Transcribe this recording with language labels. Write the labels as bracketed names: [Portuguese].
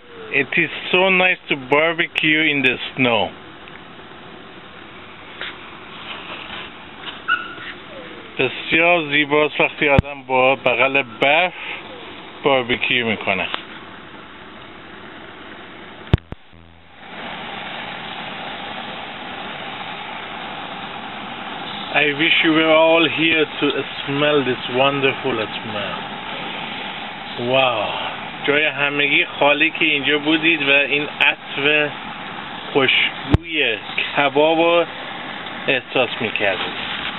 [English] It is so nice to barbecue in the snow. [Persian] بسیار زیباست وقتی آدم با بغل برف باربیکیو میکنه. [English] I wish you were all here to smell this wonderful smell. Wow! [Persian] جای همگی خالی که اینجا بودید و این عطر خوشبوی کباب رو احساس میکردید.